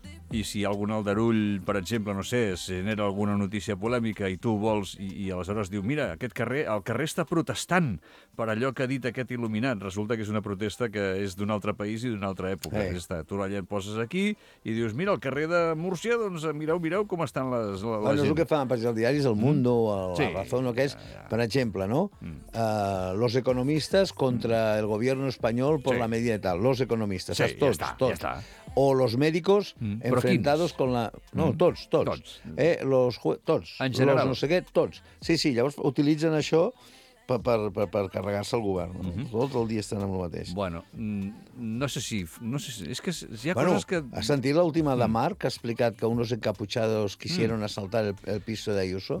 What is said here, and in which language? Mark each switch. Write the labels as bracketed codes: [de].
[ca] I si algun aldarull, per exemple, no sé, es genera alguna notícia polèmica i tu vols, i aleshores diu, mira, aquest carrer, el carrer està protestant per allò que ha dit aquest il·luminat. Resulta que és una protesta que és d'un altre país i d'una altra època. Hey. Està. Tu la poses aquí i dius, mira, el carrer de Múrcia, doncs mireu com estan la gent. És el que fan, per exemple, el diari és el Mundo, la Razón, o què és, per exemple, no? [es] Los economistas contra el gobierno español por la medida y tal. Los economistas. [ca] Sí, tots. Ja està. [es] O los médicos enfrentados con la... [ca] No, tots. Tots. En general. Los no sé què, tots. Sí, llavors utilitzen això per carregar-se el govern. Tot el dia estan amb el mateix. Bueno, no sé si... No sé si és que hi ha coses que... Has sentit l'última de Marc, que ha explicat que [es] unos encapuchados quisieron assaltar el piso de Ayuso?